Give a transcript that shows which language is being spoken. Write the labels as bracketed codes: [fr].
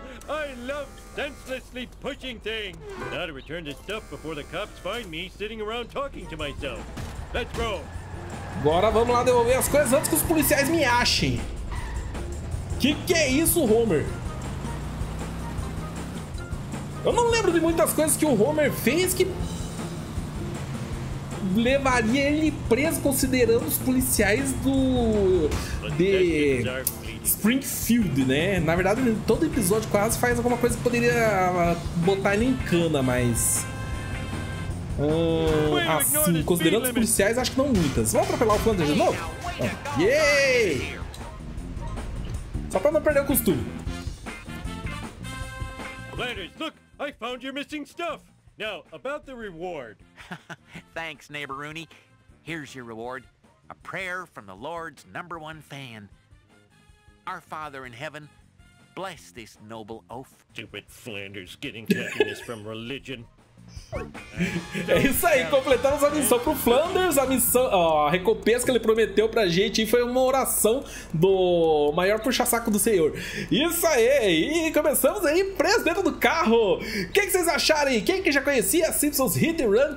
[en] I love senselessly pushing things. Now to return this stuff before the cops find me sitting around talking to myself. Let's go. [pt] Agora vamos lá devolver as coisas antes que os policiais me achem. Que é isso, Homer? Eu não lembro de muitas coisas que o Homer fez que levaria ele preso, considerando os policiais do... de... Springfield, né? Na verdade, todo episódio quase faz alguma coisa que poderia botar ele em cana, mas... assim, considerando os policiais, acho que não muitas. Vamos atropelar o Flanders de novo? Ah. Yay! Só pra não perder o costume. Flanders, olha! [en] I found your missing stuff. Now, about the reward. Thanks, Neighbor Rooney. Here's your reward. A prayer from the Lord's number one fan. Our Father in Heaven, bless this noble oaf. Stupid Flanders getting happiness from religion. [pt] É isso aí, completamos a missão pro Flanders, a missão, ó, a recompensa que ele prometeu pra gente, e foi uma oração do maior puxa-saco do senhor. Isso aí, e começamos aí preso dentro do carro. O que vocês acharam aí? Quem que já conhecia Simpsons Hit and Run?